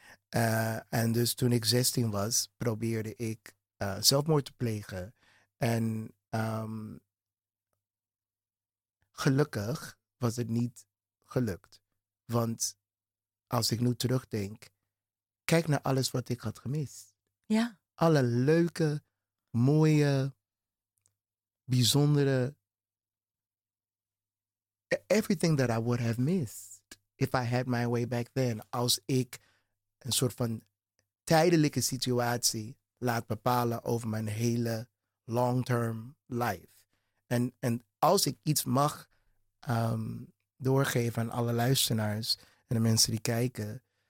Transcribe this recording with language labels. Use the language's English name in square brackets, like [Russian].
[Dutch] En dus toen ik 16 was, probeerde ik zelfmoord te plegen. En gelukkig was het niet gelukt. Want als ik nu terugdenk, kijk naar alles wat ik had gemist. Ja. Alle leuke, mooie, bijzondere, [English] everything that I would have missed if I had my way back then. [Dutch] Als ik een soort van tijdelijke situatie laat bepalen over mijn hele long-term life. En als ik iets mag doorgeven aan alle luisteraars en de mensen die kijken.